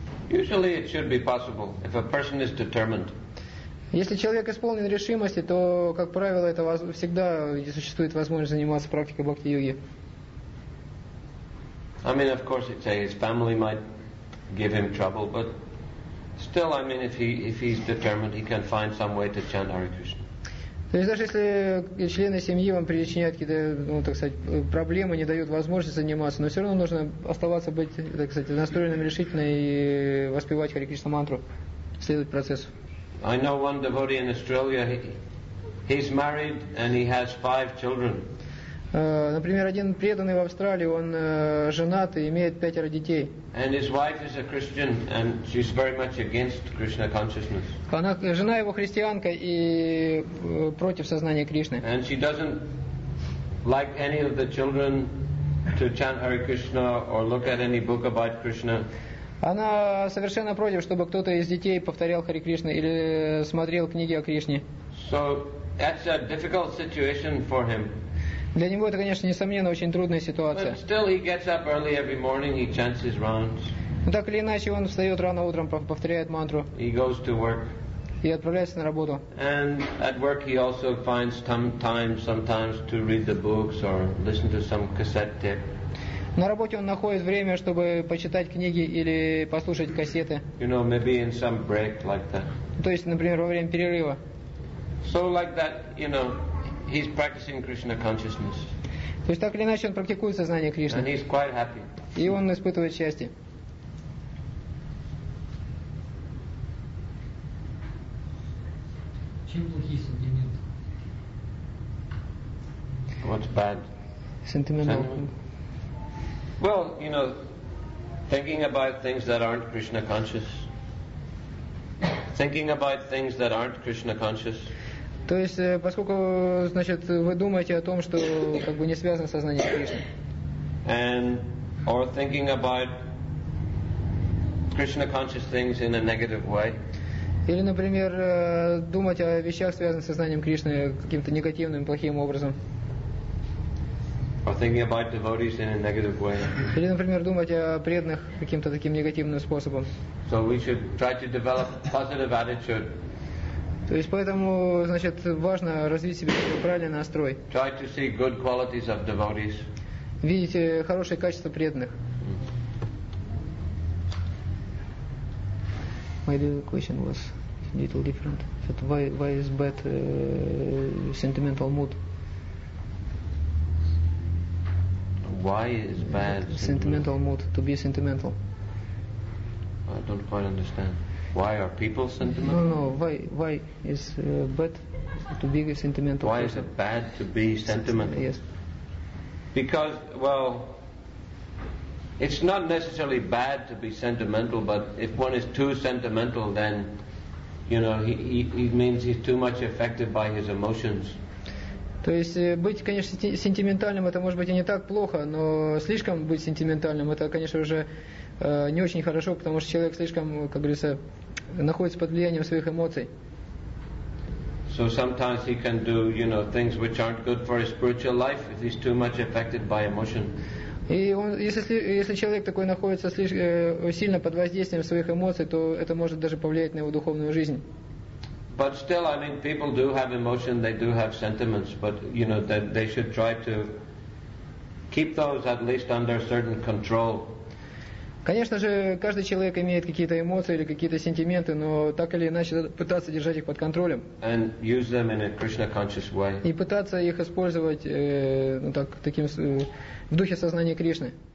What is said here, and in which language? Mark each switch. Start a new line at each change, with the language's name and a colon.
English: Usually, it should be possible if a person is determined.
Russian: Если человек исполнен решимости, то как правило это всегда существует возможность заниматься практикой бхакти йоги.
English: I mean, of course, it's his family might give him trouble, but. Still, I mean, if he's determined, he can find some way to chant Hare Krishna.
Russian: То есть даже если члены семьи вам причиняют какие-то, ну так сказать, проблемы, не дают возможности заниматься, но все равно нужно оставаться быть, так сказать, настроенным решительно и воспевать Hare Krishna мантру, следовать процессу.
English: I know one devotee in Australia. He's married and he has 5 children.
Russian: Например, один преданный в Австралии, он женат и имеет 5 детей.
English: And his wife is a Christian and she's very much against Krishna consciousness.
Russian: Она, жена его христианка и против сознания Кришны.
English: And she doesn't like any of the children to chant Hare Krishna or look at any book about Krishna.
Russian: Она совершенно против, чтобы кто-то из детей повторял Харе Кришна или смотрел книги о Кришне.
English: So that's a difficult situation for him.
Russian: Для него это, конечно, несомненно, очень трудная ситуация.
English: But still he gets up early every morning, he chants his rounds.
Russian: Но так или иначе, он встает рано утром, повторяет мантру.
English: He goes to work.
Russian: И отправляется на работу.
English: And at work he also finds some time sometimes to read the books or listen to some cassette tape.
Russian: На работе он находит время, чтобы почитать книги или послушать кассеты.
English: You know, maybe in some break like that.
Russian: То есть, например, во время перерыва.
English: So like that, you know. He's practicing Krishna consciousness.
Russian: То есть так или иначе он практикует сознание Кришны.
English: And he's quite happy.
Russian: И он испытывает счастье. Чем плохие сантименты?
English: What's bad? Sentimental. Well, you know, thinking about things that aren't Krishna conscious. Thinking about things that aren't Krishna conscious.
Russian: То есть, поскольку, значит, вы думаете о том, что как бы не связано с сознанием Кришны.
English: And or thinking about Krishna conscious things in a negative way.
Russian: Или, например, думать о вещах, связанных с сознанием Кришны, каким-то негативным, плохим образом.
English: Or thinking about devotees in a negative way.
Russian: Или, например, думать о преданных каким-то таким негативным способом.
English: So we should try to develop positive attitude.
Russian: То есть поэтому, значит, важно развить себе правильный настрой.
English: Try to see good qualities of devotees.
Russian: Видеть хорошие качества преданных.
English: My question was a little different. That why is bad sentimental mood? Why is bad sentimental mood? To be sentimental. I don't quite understand. Why are people sentimental? No. Why is bad to be sentimental? Why is it bad to be sentimental? Yes. Because, well, it's not necessarily bad to be sentimental, but if one is too sentimental, then, you know, he means he's too much affected by his emotions.
Russian: То есть быть, конечно, сентиментальным, это может быть и не так плохо, но слишком быть сентиментальным, это, конечно, уже не очень хорошо, потому что человек слишком, как говорится, находится под влиянием своих эмоций.
English: So sometimes he can do, you know, things which aren't good for his spiritual life if he's too much affected by emotion.
Russian: И он, если человек такой находится слишком сильно под воздействием своих эмоций, то это может даже повлиять на его духовную жизнь.
English: But still, I mean, people do have emotion, they do have sentiments, but, you know, they should try to keep those at least under certain control.
Russian: Конечно же, каждый человек имеет какие-то эмоции или какие-то сентименты, но так или иначе пытаться держать их под контролем.
English: And use them in a Krishna-conscious way.
Russian: И пытаться их использовать, ну, так, таким, в духе сознания Кришны.